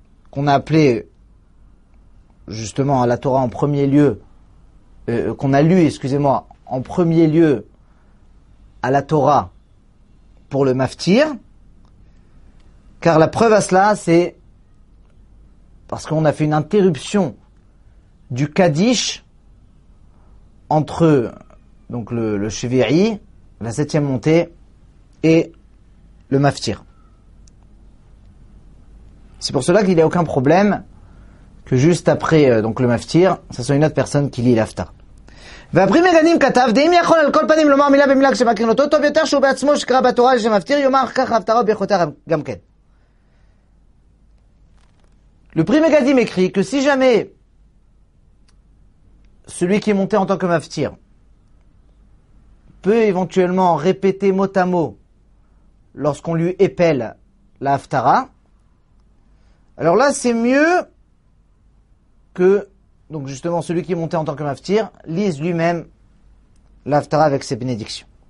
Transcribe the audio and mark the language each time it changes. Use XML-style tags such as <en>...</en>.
<fr>qu'on a appelé justement à la Torah en premier lieu, qu'on a lu, excusez-moi, en premier lieu à la Torah pour le maftir, car la preuve à cela, c'est parce qu'on a fait une interruption du Kaddish entre donc le Shvi'i, la septième montée, et le Maftir. C'est pour cela qu'il n'y a aucun problème que juste après donc le Maftir, ce soit une autre personne qui lit l'Aftar.</fr> <he>ואפרים מגנים כתב דהים יכול על כל פנים לומר מילה במילה כשמקרין אותו טוב יותר שהוא בעצמו שקרא בתורה לשם מפתיר יאמר ככה הפתרה ביכולתה גם כן.</he> <fr>Le prix Megadim écrit que si jamais celui qui est monté en tant que maftir peut éventuellement répéter mot à mot lorsqu'on lui épelle la haftara, alors là c'est mieux que donc justement celui qui est monté en tant que maftir lise lui-même la haftara avec ses bénédictions.</fr>